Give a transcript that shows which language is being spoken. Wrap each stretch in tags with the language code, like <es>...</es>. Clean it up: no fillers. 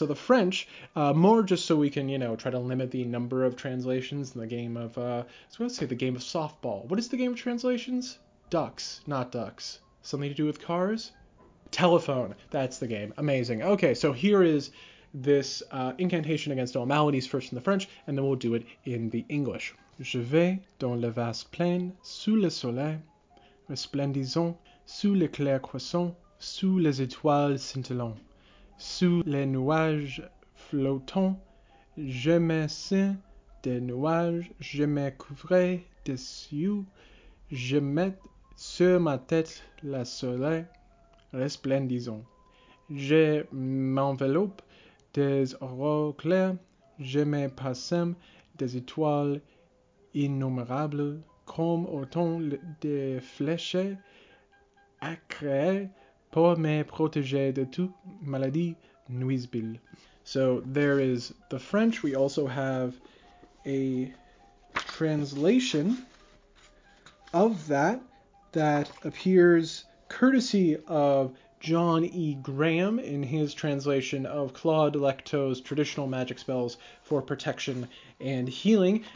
<en>So the French, more just so we can, you know, try to limit the number of translations in the game of, the game of softball. What is the game of translations? Ducks, not ducks. Something to do with cars? Telephone. That's the game. Amazing. Okay, so here is this incantation against all maladies, first in the French, and then we'll do it in the English.</en> <fr>Je vais dans le vaste plain, sous le soleil resplendissant, sous le clair croissant, sous les étoiles scintillant, sous les nuages flottants, je me ceins des nuages, je me couvre des cieux, je mets sur ma tête le soleil resplendissant, je m'enveloppe des aurores claires, je me parsème des étoiles innombrables, comme autant de flèches à créer pour me protéger de toute maladie nuisible.</fr> <en>So there is the French. We also have a translation of that that appears courtesy of John E. Graham in his translation of Claude Lecteau's Traditional Magic Spells for Protection and Healing.</en>